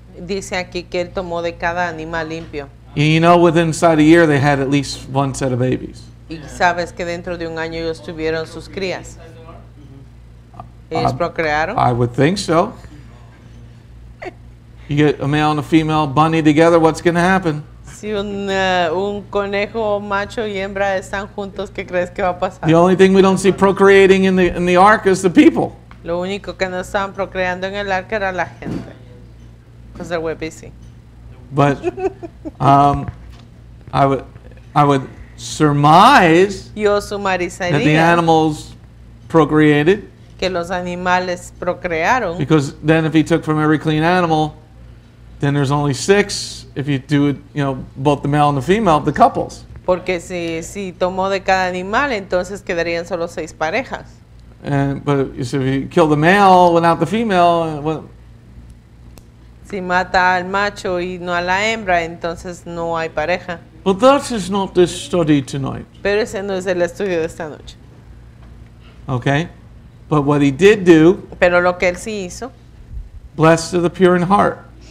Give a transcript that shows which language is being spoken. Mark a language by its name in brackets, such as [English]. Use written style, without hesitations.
[Spanish] Dice aquí que él tomó de cada animal limpio. [English] You know, within inside a year, they had at least one set of babies. [Spanish] Y sabes que dentro de un año ellos tuvieron sus crías. ¿Ellos procrearon? [English] I would think so. You get a male and a female bunny together, what's going to happen? [Spanish] Si un conejo macho y hembra están juntos, ¿qué crees que va a pasar? [English] The only thing we don't see procreating in the ark is the people. [Spanish] Lo único que no estaban procreando en el arca era la gente. [English] Because they were busy. But I would surmise. [Spanish] Yo sumarizaría. [English] That the animals procreated. [Spanish] Que los animales procrearon. [English] Because then if he took from every clean animal, then there's only six if you do it, both the male and the female, the couples. [Spanish] Porque si tomó de cada animal, entonces quedarían solo seis parejas. [English] But so if you kill the male without the female, well, [Spanish] si mata al macho y no a la hembra, entonces no hay pareja. [English] But that is not this study tonight. [Spanish] Pero ese no es el estudio de esta noche. [English] Okay, but what he did do. [Spanish] Pero lo que él sí hizo. [English] Blessed are the pure in heart.